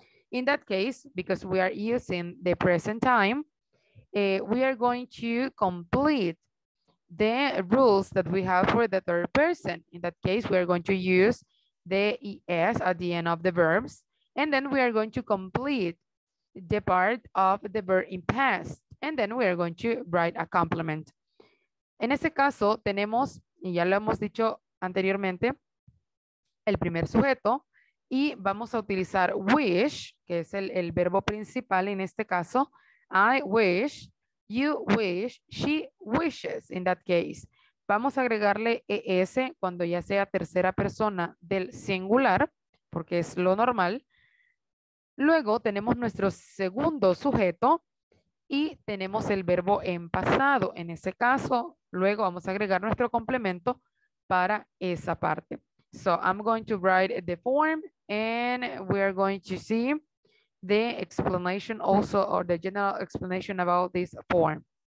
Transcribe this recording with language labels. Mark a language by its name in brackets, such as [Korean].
[English] In that case, because we are using the present time, we are going to complete the rules that we have for the third person. In that case, we are going to use the ES at the end of the verbs, and then we are going to complete the part of the verb in past, and then we are going to write a complement. [Spanish] En ese caso, tenemos, y ya lo hemos dicho anteriormente, el primer sujeto, y vamos a utilizar wish, que es el verbo principal en este caso. [English] I wish, you wish, she wishes, in that case. [Spanish] Vamos a agregarle ES cuando ya sea tercera persona del singular, porque es lo normal. Luego tenemos nuestro segundo sujeto y tenemos el verbo en pasado. En ese caso, luego vamos a agregar nuestro complemento para esa parte. [English] So I'm going to write the form and we are going to see the explanation also, or the general explanation about this form.